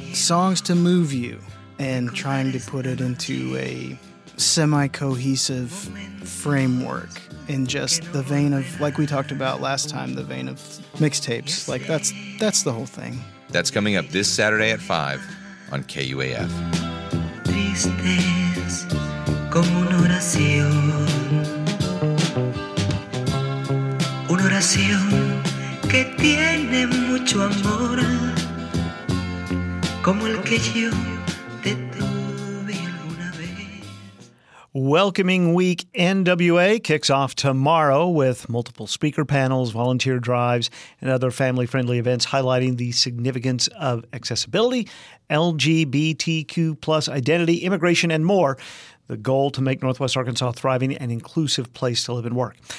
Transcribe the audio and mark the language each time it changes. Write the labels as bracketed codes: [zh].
[en] Songs to move you, and trying to put it into a semi-cohesive framework in just the vein of, like we talked about last time, the vein of mixtapes. Like, that's the whole thing. That's coming up this Saturday at 5 on KUAF. [es] Tristes como una oración que tiene mucho amor, como el que yo te tuve alguna vez. [en] Welcoming Week NWA kicks off tomorrow with multiple speaker panels, volunteer drives, and other family-friendly events highlighting the significance of accessibility, LGBTQ plus identity, immigration, and more, the goal to make Northwest Arkansas a thriving and inclusive place to live and work.